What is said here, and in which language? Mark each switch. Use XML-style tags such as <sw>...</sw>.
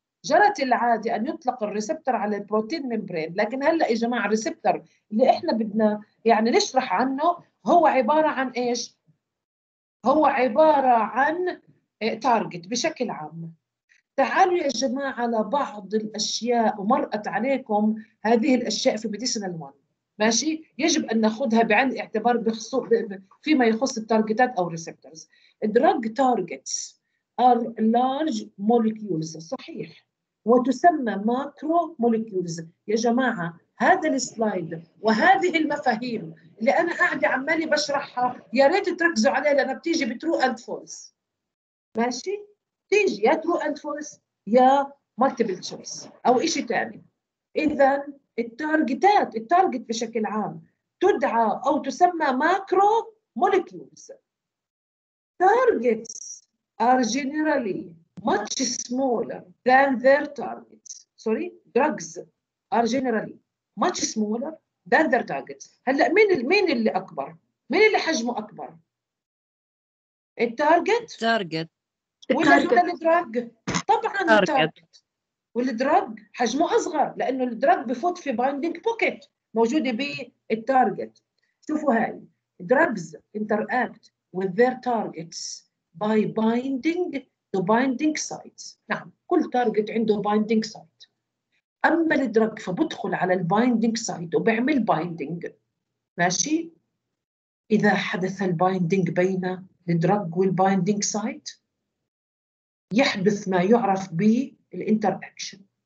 <ar>جرت العاده ان يطلق الريسبتر على البروتين ممبرين، لكن هلا يا جماعه الريسبتر اللي احنا بدنا يعني نشرح عنه هو عباره عن ايش؟ هو عبارة عن تارجت بشكل عام. تعالوا يا جماعة على بعض الأشياء ومرقت عليكم هذه الأشياء في ميديسينال 1، ماشي؟ يجب أن نأخذها بعين الاعتبار فيما يخص التارجتات أو ريسبترز.</ar> <en>Drug targets are large molecules،</en> <ar>صحيح، وتسمى</ar> <en>macro molecules.</en> <ar>يا جماعة هذا السلايد وهذه المفاهيم اللي أنا قاعدة عمالي بشرحها يا ريت تركزوا عليها لأنها بتيجي بترو أند فولس. ماشي؟ تيجي يا ترو أند فولس يا مالتيبل تشويس أو إشي تاني. إذن التارجتات التارجت بشكل عام تدعى أو تسمى ماكرو موليكيولز.</ar> <en>Targets are generally much smaller than their targets. Sorry, drugs are generally much smaller than their targets.</en> <ar>هلأ مين اللي أكبر؟ مين اللي حجمه أكبر؟ التارجت؟ التارجت ولا الدراج؟ طبعاً التارجت. والدراج حجمه أصغر لأنه الدراج بفوت في binding pocket موجودة بالتارجت. شوفوا هاي.</ar> <en>Drugs interact with their targets by binding to binding sites.</en> <ar>نعم كل target عنده binding site. أما الدراج فبدخل على البايندينج سايت وبعمل بايندينج. ماشي؟ إذا حدث البايندينج بين الدراج والبايندينج سايت يحدث ما يعرف بالإنتر أكشن.</ar>